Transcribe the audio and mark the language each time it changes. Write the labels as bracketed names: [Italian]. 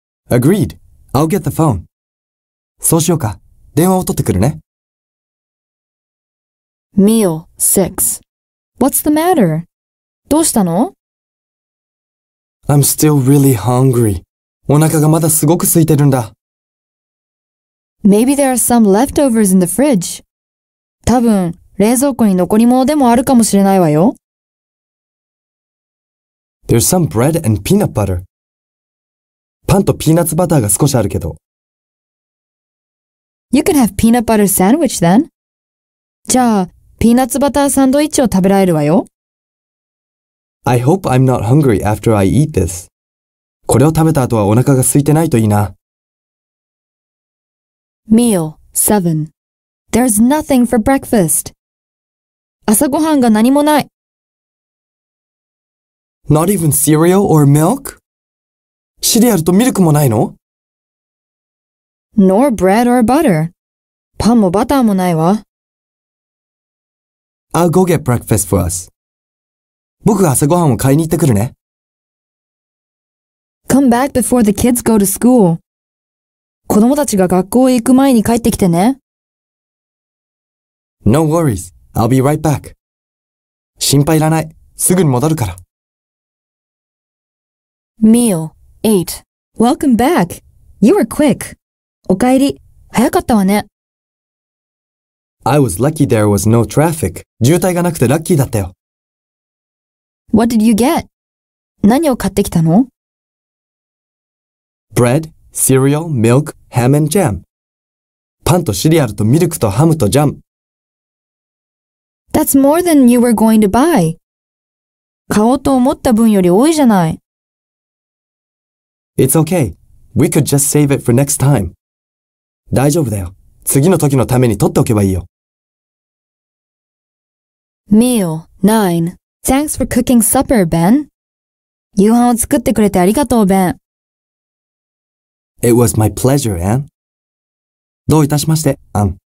[English] Agreed. I'll get the phone. [Japanese] そうしようか。電話を取ってくるね。 [English] Meal 6. What's the matter? [Japanese] どうしたの? [English] I'm still really hungry. [Japanese] お腹がまだすごく空いてるんだ。 [English] Maybe there are some leftovers in the fridge. [Japanese] 多分、冷蔵庫に残り物でもあるかもしれないわよ。 [English] There's some bread and peanut butter. [Japanese] パンとピーナッツバターが少しあるけど。 [English] You can have peanut butter sandwich then. [Japanese] じゃあ、ピーナッツバターサンドイッチを食べられるわよ。 [English] I hope I'm not hungry after I eat this. [Japanese] これを食べた後はお腹が空いてないといいな。 [English] Meal 7. There's nothing for breakfast. [Japanese] 朝ごはんが何もない。 [English] Not even cereal or milk? [Japanese] シリアルとミルクもないの? [English] Nor bread or butter. [Japanese] パンもバターもないわ。 [English] I'll go get breakfast for us. [Japanese] 僕が朝ごはんを買いに行ってくるね。 [English] Come back before the kids go to school. [Japanese] 子供たちが学校へ行く前に帰ってきてね。 [English] No worries. I'll be right back. [Japanese] 心配いらない。すぐに戻るから。 [English] Meal 8. Welcome back. You were quick. [Japanese] お帰り。早かったわね。 [English] I was lucky there was no traffic. [Japanese] 渋滞がなくてラッキーだったよ。 What did you get? 何を買ってきたの? [English] Bread, cereal, milk, ham and jam. [Japanese] パンとシリアルとミルクとハムとジャム。 [English] That's more than you were going to buy. [Japanese] 買おうと思った分より多いじゃない。 [English] It's okay. We could just save it for next time. [Japanese] 大丈夫だよ。次の時のために取っておけばいいよ。 [English] Meal 9. Thanks for cooking supper, Ben. [Japanese] 夕飯を作ってくれてありがとう、Ben. [English] It was my pleasure, Ann. [Japanese] どういたしまして、Ann.